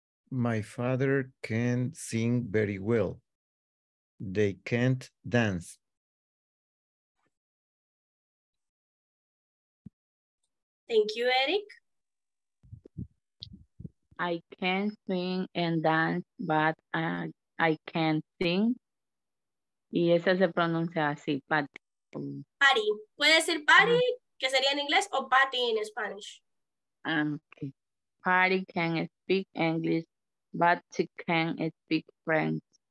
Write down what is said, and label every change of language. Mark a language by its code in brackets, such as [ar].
[en] My father can sing very well. They can't dance. Thank you, Eric. I can swing and dance, but I can't sing. [es] Y esa se pronuncia así, Patty. Patty. Puede decir Patty, que sería en inglés, o Patty en Spanish. [en] Okay. Patty can speak English, but she can speak French.